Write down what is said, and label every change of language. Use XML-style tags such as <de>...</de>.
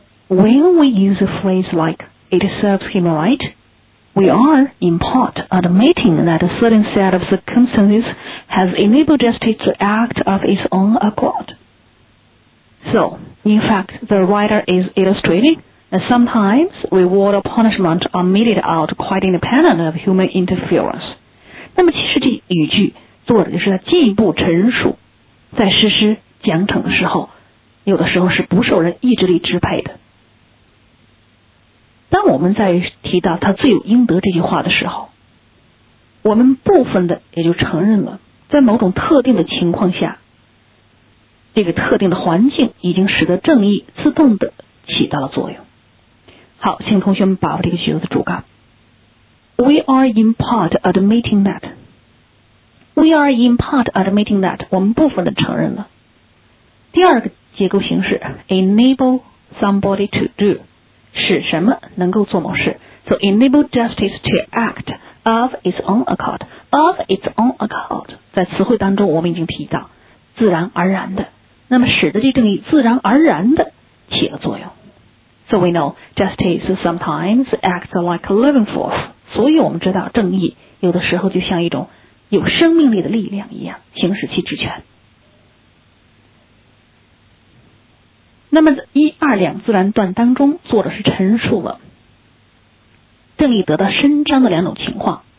<en>When we use a phrase like it serves him right, we are in part admitting that a certain set of circumstances has enabled justice to act of its own accord. So, in fact, the writer is illustrating,And sometimes reward or punishment are meted out quite independent of human interference.</en> <zh>那么其实这语句作者就是在进一步陈述，在实施奖惩的时候，有的时候是不受人意志力支配的。当我们在提到他罪有应得这句话的时候，我们部分的也就承认了，在某种特定的情况下，这个特定的环境已经使得正义自动的起到了作用。好，请同学们把握这个句子的主干。</zh> <en>We are in part admitting that. We are in part admitting that.</en> <zh>我们部分的承认了。第二个结构形式 ，</zh> <en>enable somebody to do，</en> <zh>使什么能够做某事。</zh> <en>So enable justice to act of its own accord. Of its own accord，</en> <zh>在词汇当中我们已经提到，自然而然的。那么使得这正义自然而然的起了作用。</zh> <en>So we know justice sometimes acts like a living force.</en> <zh>所以我们知道正义有的时候就像一种有生命力的力量一样，行使其职权。那么一二两自然段当中，作者是陈述了正义得到伸张的两种情况。</zh>